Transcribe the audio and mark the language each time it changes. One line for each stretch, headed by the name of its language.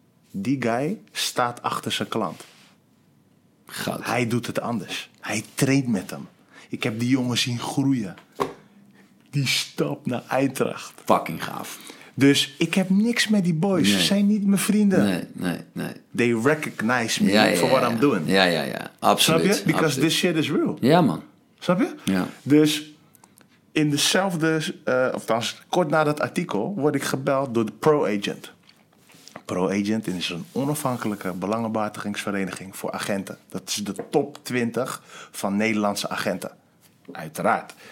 Dutch: Die guy staat achter zijn klant. Goud. Hij doet het anders. Hij traint met hem. Ik heb die jongen zien groeien. Die stap naar Eindracht. Fucking gaaf. Dus ik heb niks met die boys. Nee. Ze zijn niet mijn vrienden. Nee.
English: They recognize me for what I'm doing.
Dutch: Ja. Absoluut. Snap je?
English: Because this shit is real.
Dutch: Ja, man. Snap je? Ja. Dus in dezelfde, of trouwens kort na dat artikel, word ik gebeld door de Pro Agent. Pro Agent is een onafhankelijke belangenbehartigingsvereniging voor agenten. Dat is de top 20 van Nederlandse agenten. Uiteraard.